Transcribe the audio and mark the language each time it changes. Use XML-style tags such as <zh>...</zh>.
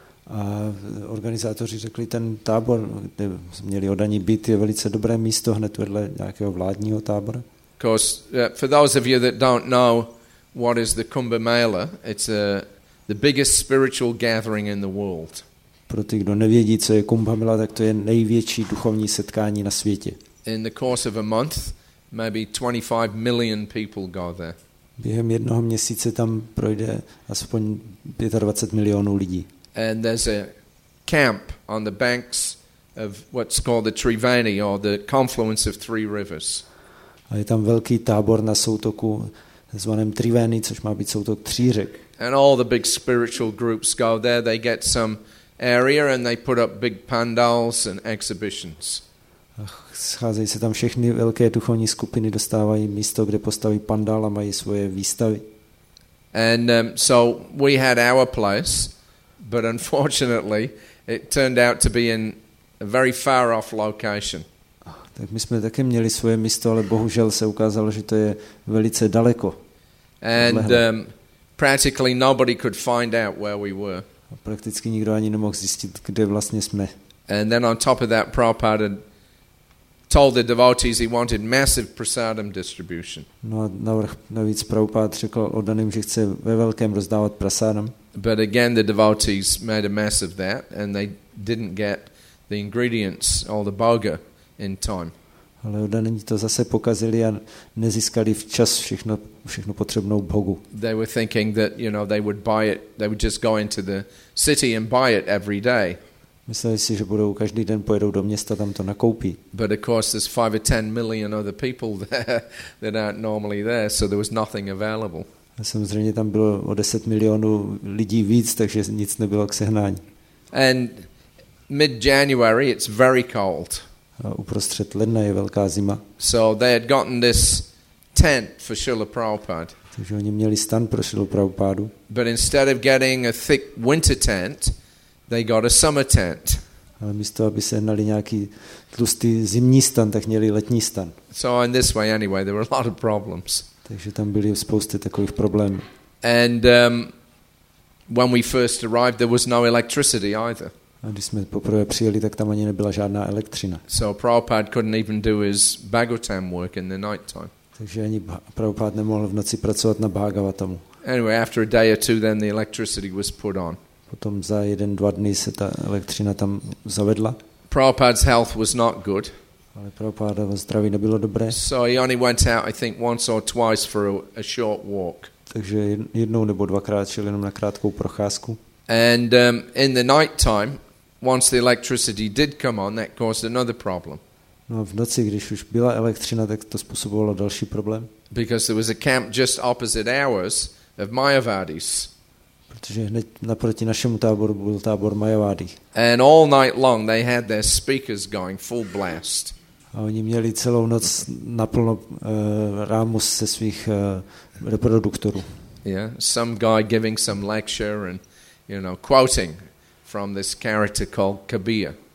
<cs>A organizátoři řekli, ten tábor, kde měli oddaní být, je velice dobré místo hned vedle nějakého vládního tábora.</cs> <en>Of course, for those of you that don't know what is the Kumbh Mela, it's the biggest spiritual gathering in the world.</en> <cs>Pro ty, kdo nevědí, co je Kumbh Mela, tak to je největší duchovní setkání na světě.</cs> <en>In the course of a month, maybe 25 million people go there.</en> <cs>Během jednoho měsíce tam projde aspoň 25 milionů lidí.</cs> <en>And there's a camp on the banks of what's called the Triveni or the confluence of three rivers.</en> <cs>A je tam velký tábor na soutoku zvaném Triveni, což má být soutok tří řek.</cs> <en>And all the big spiritual groups go there, they get some area and they put up big pandals and exhibitions.</en> <cs>Scházejí se tam všechny velké duchovní skupiny, dostávají místo, kde postaví pandál a mají svoje výstavy.</cs> <en>And so we had our place, but unfortunately it turned out to be in a very far off location.</en> <cs>Tak my jsme také měli svoje místo, ale bohužel se ukázalo, že to je velice daleko.</cs> <en>And practically nobody could find out where we were.</en> <cs>Prakticky nikdo ani nemohl zjistit, kde vlastně jsme.</cs> <en>And then on top of that, Prabhupada told the devotees he wanted massive prasadam distribution.</en> <cs>No, navíc Prabhupada řekl oddaným, že chce ve velkém rozdávat prasadam.</cs> <en>But again the devotees made a mess of that and they didn't get the ingredients, all the bhoga in time.</en> <cs>Ale oddaní to zase pokazili a nezískali včas všechno potřebnou bhogu.</cs> <en>They were thinking that, you know, they would buy it, they would just go into the city and buy it every day.</en> <cs>Mysleli si, že budou každý den pojedou do města, tam to nakoupí.</cs> <en>But of course there's 5 or 10 million other people there that aren't normally there, so there was nothing available.</en> <cs>A samozřejmě tam bylo o 10 milionů lidí víc, takže nic nebylo k sehnání.</cs> <en>And mid January it's very cold.</en> <cs>A uprostřed ledna je velká zima.</cs> <en>So they had gotten this tent for Srila Prabhupada.</en> <cs>Takže oni měli stan pro Srilu Prabhupádu.</cs> <en>But instead of getting a thick winter tent, they got a summer tent.</en> <cs>Ale místo, aby se sehnali nějaký tlustý zimní stan, tak měli letní stan.</cs> <en>So in this way anyway, there were a lot of problems.</en> <cs>Takže tam byly spousty takových problémů.</cs> <en>And when we first arrived, there was no electricity either.</en> <cs>A když jsme poprvé přijeli, tak tam ani nebyla žádná elektřina.</cs> <en>So Prabhupada couldn't even do his Bhagavatam work in the night time.</en> <cs>Takže ani Prabhupada nemohl v noci pracovat na Bhagavatamu.</cs> <en>Anyway, after a day or two, then the electricity was put on.</en> <cs>Potom za jeden, dva dny se ta elektřina tam zavedla.</cs> <en>Prabhupada's health was not good.</en> <cs>Ale Prabhupádovo zdraví nebylo dobré.</cs> <en>So he only went out, I think, once or twice for a short walk.</en> <cs>Takže jednou nebo dvakrát šel jenom na krátkou procházku.</cs> <en>And in the night time, once the electricity did come on, that caused another problem.</en> <cs>No, v noci, když už byla elektřina, tak to způsobovalo další problém.</cs> <en>Because there was a camp just opposite ours of Mayavadis.</en> <cs>Protože hned naproti našemu táboru byl tábor Mayavadi.</cs> <en>And all night long they had their speakers going full blast.</en> <cs>A oni měli celou noc naplno rámu se svých reproduktorů.</cs> <en>Yeah, some guy giving some lecture and, you know, quoting from this character called Kabir.</en>